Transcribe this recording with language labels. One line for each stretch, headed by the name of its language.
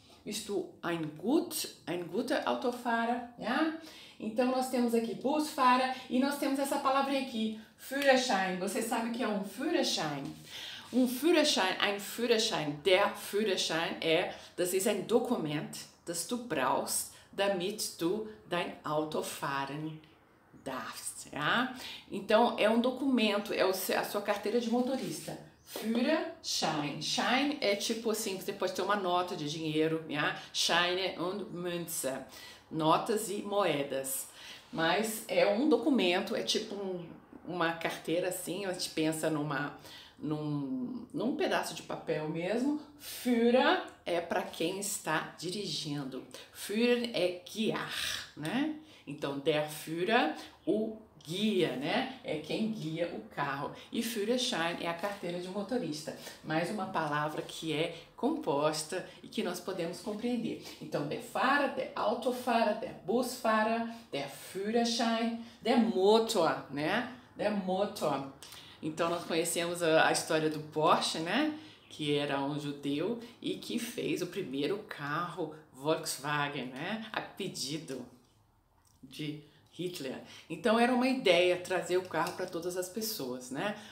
German: Bist du ein guter Autofahrer? Yeah?
Portuguese: Então nós temos aqui Busfahrer e nós temos essa palavrinha aqui, Führerschein. Você sabe o que é um Führerschein?
German: Der Führerschein é, das ist ein Dokument, das du brauchst, damit du dein Auto fahren darfst. Ja?
Portuguese: Então, é um documento, é a sua carteira de motorista. Führerschein. Schein é tipo assim, você pode ter uma nota de dinheiro. Ja?
German: Scheine und Münze.
Portuguese: Notas e moedas. Mas é um documento, é tipo uma carteira assim, a gente pensa num pedaço de papel mesmo. Führer é para quem está dirigindo. Führer é guiar, né? Então, der Führer, o guia, né? É quem guia o carro. E Führerschein é a carteira de motorista. Mais uma palavra que é composta e que nós podemos compreender.
German: Então, der Fahrer, der Autofahrer, der Busfahrer, der Führerschein, der Motor, né? Der Motor.
Portuguese: Então, nós conhecemos a história do Porsche, né? Que era um judeu e que fez o primeiro carro Volkswagen, né? A pedido de Hitler. Então, era uma ideia trazer o carro para todas as pessoas, né?